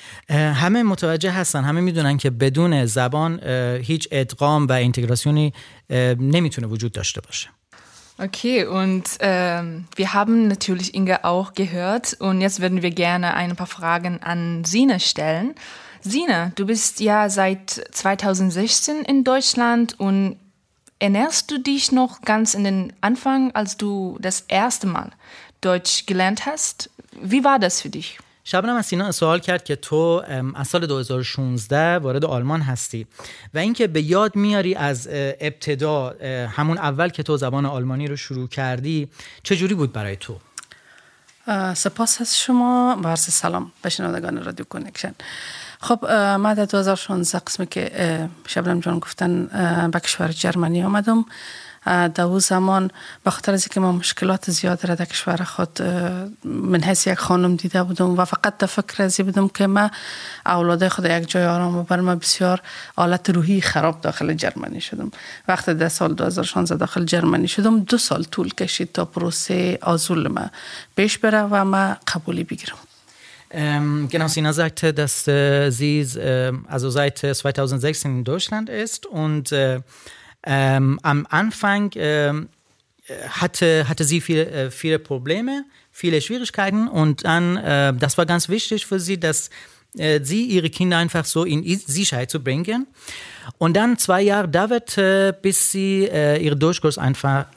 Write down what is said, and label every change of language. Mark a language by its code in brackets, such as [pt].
[fa] همه متوجه هستن، همه میدونن که بدون زبان هیچ ادغام و اینتگراسیونی نمیتونه وجود داشته باشه. [de] Okay, und wir haben natürlich Inge auch gehört und jetzt würden wir gerne ein paar Fragen an Sine stellen. Sine, du bist ja seit 2016 in Deutschland und erinnerst du dich noch ganz in den Anfang, als du das erste Mal Deutsch gelernt hast? Wie war das für dich? [fa] شبنم از سینا سوال کرد که تو از سال 2016 وارد آلمان هستی و اینکه به یاد میاری از ابتدا همون اول که تو زبان آلمانی رو شروع کردی چجوری بود برای تو؟ سپاس از شما و عرض سلام به شنوندگان رادیو کنکشن. خب ما در 2016 قسمی که شبنم جان گفتن به کشور جرمنی آمدم. در اون زمان به خاطر از اینکه ما مشکلات زیاد را در کشور خود من حیث یک خانم دیده بودم و فقط در فکر ازی بودم که ما اولاده خود یک جای آرام ببرم، بسیار حالت روحی خراب داخل جرمنی شدم. وقتی در سال 2016 داخل جرمنی شدم 2 سال طول کشید تا پروسه آزول ما پیش بره و ما قبولی بگیرم. [de] Genau, Sina sagte, dass sie also seit 2016 in Deutschland ist und am Anfang hatte sie viele Probleme, viele Schwierigkeiten und dann, das war ganz wichtig für sie, dass sie ihre Kinder einfach so in Sicherheit zu bringen und dann 2 Jahre dauert, bis sie ihren Deutschkurs einfach